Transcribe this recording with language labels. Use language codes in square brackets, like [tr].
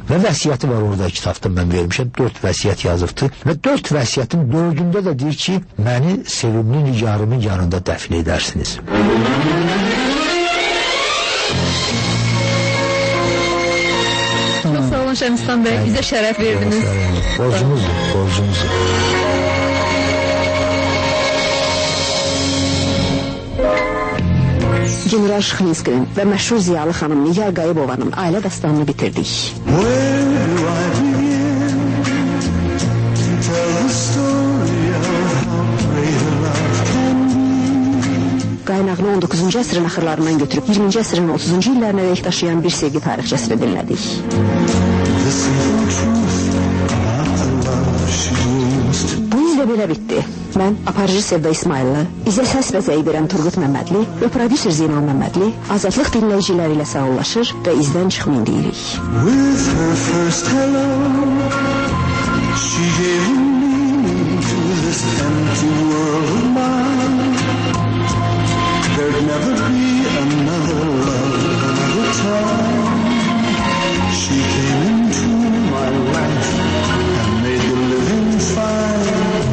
[az] Və vəsiyyəti var orada kitabda mən vermişəm, 4 vəsiyyət yazıbdı. Və 4 vəsiyyətin 4-ündə də deyir ki, məni sevimli Nigarımın yanında dəfin edərsiniz. Şəmistan bəy, bizə şərəf verdiniz. Borcumuzdur, borcumuzdur. General Şıxlinskinin və məşhur ziyalı xanım Nigar Qayıbovanın ailə dastanını bitirdik. Qaynağını 19-cu əsrin axırlarından götürüb 20-ci əsrin 30-cu illərinə dək daşıyan bir sevgi tarixçəsini dinlədik. Bu ilə belə bitdi. Mən aparıcı Sevda İsmaillı, izə səs və zəyi verən Turqut Məmmədli və prodüser Zeynal Məmmədli azadlıq dinləyiciləri ilə sağollaşır və izdən çıxmayın deyirik. [en] With her first hello, she gave me to this empty world of mine. There'd never be another love, another time. She came into my life and made the living fine.